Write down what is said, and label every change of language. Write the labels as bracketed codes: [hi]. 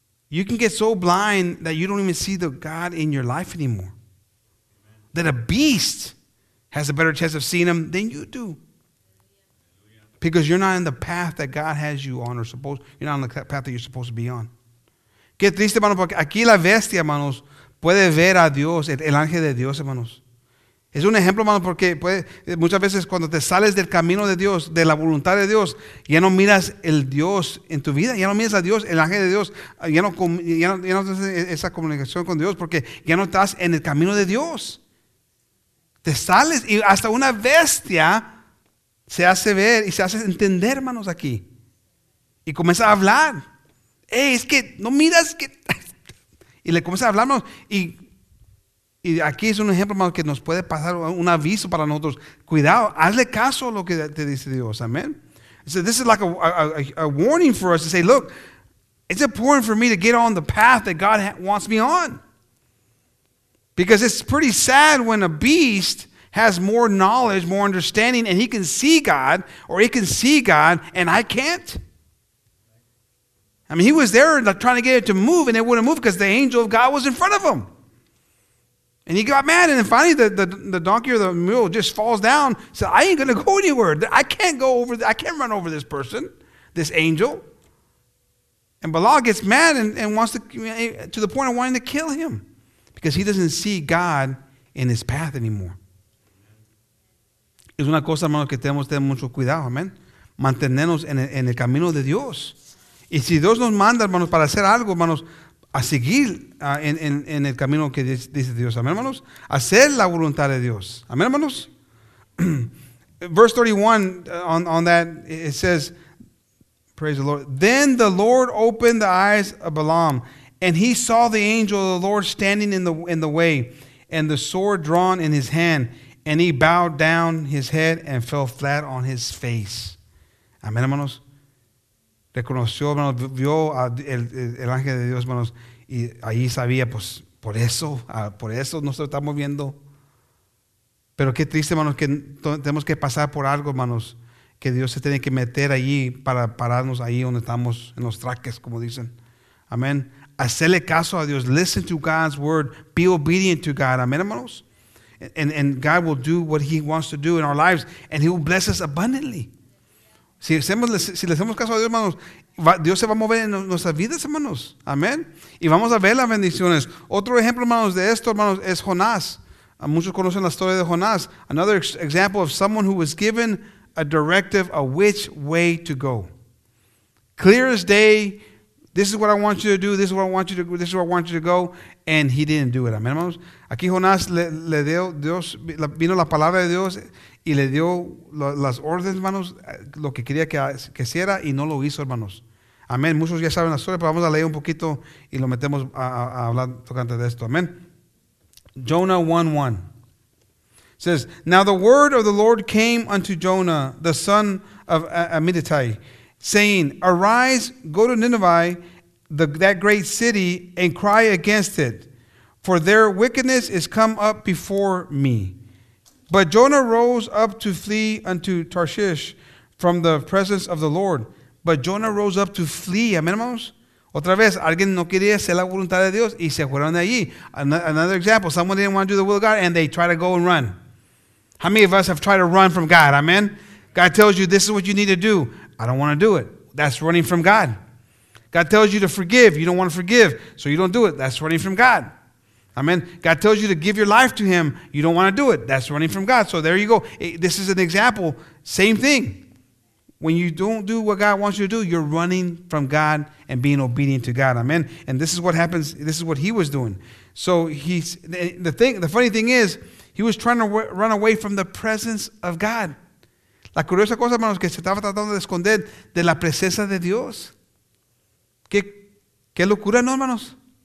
[en] You can get so blind that you don't even see the God in your life anymore. That a beast has a better chance of seeing him than you do. Because you're not in the path that God has you on, or supposed, you're not on the path that you're supposed to be on. [es] Qué triste, hermano, porque aquí la bestia, hermanos, puede ver a Dios, el ángel de Dios, hermanos. Es un ejemplo, hermano, porque muchas veces cuando te sales del camino de Dios, de la voluntad de Dios, ya no miras el Dios en tu vida, ya no miras a Dios, el ángel de Dios, ya no tienes esa comunicación con Dios, porque ya no estás en el camino de Dios. Te sales, y hasta una bestia se hace ver y se hace entender, hermanos, aquí. Y comienza a hablar. Hey, es que no miras que... Y le comienza a hablar, hermanos. Y aquí es un ejemplo, hermanos, que nos puede pasar un aviso para nosotros. Cuidado, hazle caso a lo que te dice Dios. Amén. [en] So this is like a warning for us to say, look, it's important for me to get on the path that God wants me on. Because it's pretty sad when a beast has more knowledge, more understanding, and he can see God, or it can see God, and I can't. I mean, he was there trying to get it to move, and it wouldn't move because the angel of God was in front of him. And he got mad, and then finally the donkey or the mule just falls down, said, I ain't going to go anywhere. I can't go over, I can't run over this person, this angel. And Balaam gets mad and wants to the point of wanting to kill him. Because he doesn't see God in his path anymore. [es] Es una cosa, hermano, que tenemos que tener mucho cuidado, amén. Mantenernos en el camino de Dios. Y si Dios nos manda, hermanos, para hacer algo, hermanos, a seguir en el camino que dice Dios, amén, hermanos. Hacer la voluntad de Dios, amén, hermanos. [en] Verse 31, on that, it says, praise the Lord. Then the Lord opened the eyes of Balaam. And he saw the angel of the Lord standing in the way, and the sword drawn in his hand. And he bowed down his head and fell flat on his face. [es] Amén, hermanos. Reconoció, hermanos, vio el ángel de Dios, hermanos. Y ahí sabía, pues, por eso nos estamos viendo. Pero qué triste, hermanos, que tenemos que pasar por algo, hermanos. que Dios se tiene que meter allí para pararnos ahí donde estamos en los traques, como dicen. Amén. Hacerle caso a Dios. [en] Listen to God's word. Be obedient to God. [es] Amén, hermanos. [en] And God will do what he wants to do in our lives. And he will bless us abundantly. [es] Si le hacemos caso a Dios, hermanos, Dios se va a mover en nuestras vidas, hermanos. Amén. Y vamos a ver las bendiciones. Otro ejemplo, hermanos, de esto, hermanos, es Jonás. Muchos conocen la historia de Jonás. [en] Another example of someone who was given a directive of which way to go. Clear as day. This is what I want you to do. This is what I want you to do. This is where I want you to go. And he didn't do it. [es] Amén, hermanos. Aquí Jonás le dio, Dios, vino la palabra de Dios y le dio las órdenes, hermanos, lo que quería que hiciera y no lo hizo, hermanos. Amén. Muchos ya saben la historia, pero vamos a leer un poquito y lo metemos a hablar tocante de esto. Amén. [en] Jonah 1:1 says, now the word of the Lord came unto Jonah, the son of Amittai, saying, arise, go to Nineveh, that great city, and cry against it, for their wickedness is come up before me. But Jonah rose up to flee unto Tarshish from the presence of the Lord. But Jonah rose up to flee. [es] Amen, hermanos. Otra vez, alguien no quería hacer la voluntad de Dios y se fueron de allí. [en] Another example, someone didn't want to do the will of God and they try to go and run. How many of us have tried to run from God? Amen. God tells you, this is what you need to do. I don't want to do it. That's running from God. God tells you to forgive. You don't want to forgive, so you don't do it. That's running from God. Amen. God tells you to give your life to him. You don't want to do it. That's running from God. So there you go. This is an example. Same thing. When you don't do what God wants you to do, you're running from God and being obedient to God. Amen. And this is what happens. This is what he was doing. So he's the funny thing is, he was trying to run away from the presence of God. [es] La curiosa cosa, hermanos, que se estaba tratando de esconder de la presencia de Dios. ¿Qué locura, no, hermanos?